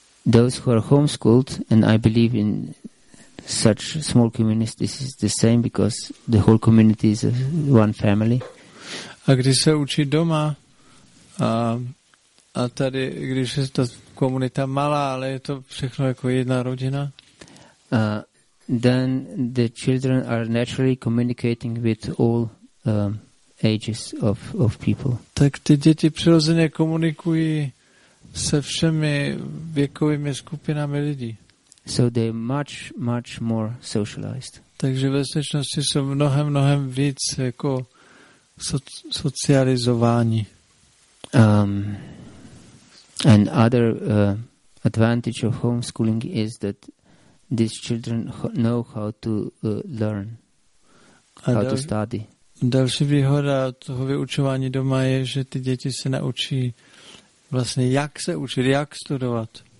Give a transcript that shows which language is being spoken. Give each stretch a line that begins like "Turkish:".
English: Those who are homeschooled, and I believe in such small communities is the same because the whole community is one family.
Czech: A když se učí doma, a tady, když je ta komunita malá, ale je to všechno jako jedna rodina.
English: Then the children are naturally communicating with all ages of people.
Czech: Tak ty děti přirozeně komunikují se všemi věkovými skupinami lidí.
English: So they're much, much more socialized.
Czech: Takže ve skutečnosti jsou mnohem, mnohem víc jako socializování.
English: Another advantage of homeschooling is that these children know how to learn, how to study.
Czech: Další výhoda toho vyučování doma je, že ty děti se naučí vlastně jak se učit, jak studovat.